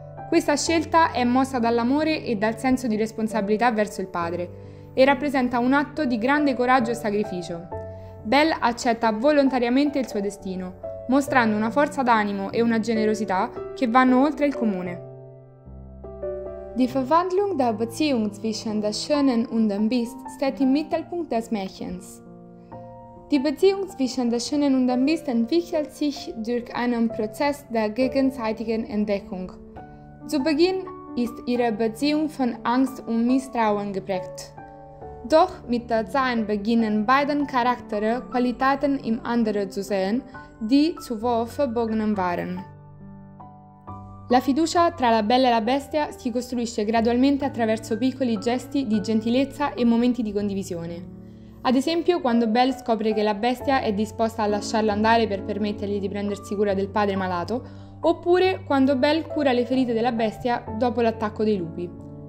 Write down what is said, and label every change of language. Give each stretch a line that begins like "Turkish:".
Italian: Questa scelta è mossa dall'amore e dal senso di responsabilità verso il padre e rappresenta un atto di grande coraggio e sacrificio. Belle accetta volontariamente il suo destino, mostrando una forza d'animo e una generosità che vanno oltre il comune.
German: Die Verwandlung der Beziehung zwischen der Schönen und dem Biest steht im Mittelpunkt des Märchens. Die Beziehung zwischen der Schönen und dem Biest entwickelt sich durch einen Prozess der gegenseitigen Entdeckung. Zu Beginn ist ihre Beziehung von Angst und Misstrauen geprägt. Doch mit der Zeit beginnen beide Charaktere Qualitäten im anderen zu sehen, die zuvor verborgen waren.
Italian: La fiducia tra la Bella e la Bestia si costruisce gradualmente attraverso piccoli gesti di gentilezza e momenti di condivisione. Ad esempio, quando Belle scopre che la Bestia è disposta a lasciarla andare per permettergli di prendersi cura del padre malato, oppure quando Belle cura le ferite della Bestia dopo l'attacco dei lupi.